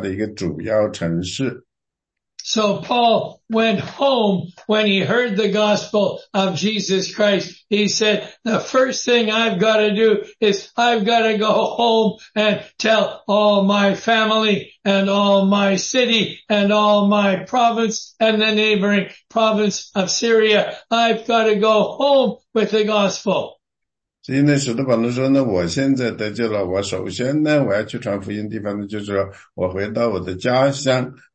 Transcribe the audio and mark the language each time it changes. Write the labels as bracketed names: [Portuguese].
[Chinese] 现在原因呢是那个使徒保罗呢，他是那个大树的那个居民，居民呢实际上就是那个叙利亚的一个主要城市。 [English] So Paul went home when he heard the gospel of Jesus Christ. He said, "The first thing I've got to do is I've got to go home and tell all my family and all my city and all my province and the neighboring province of Syria. I've got to go home with the gospel." [Chinese] 所以那使徒保罗说呢，我现在得救了，我首先呢，我要去传福音的地方呢，就是我回到我的家乡。